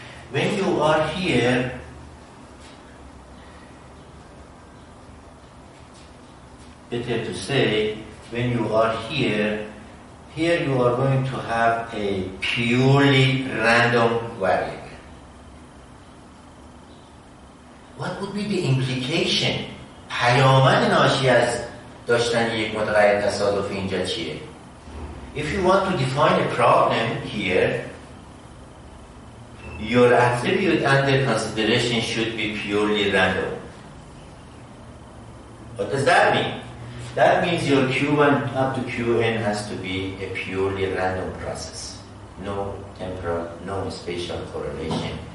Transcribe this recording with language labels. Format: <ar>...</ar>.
<en>When you are here, better to say, when you are here you are going to have a purely random variable. What would be the implication?</en> <fa>پیامد ناشی از داشتن یک متغیر تصادفی اینجا چیه?</fa> <en>If you want to define a problem here, your attribute under consideration should be purely random. What does that mean? That means your Q1 up to Qn has to be a purely random process. No temporal, no spatial correlation</en>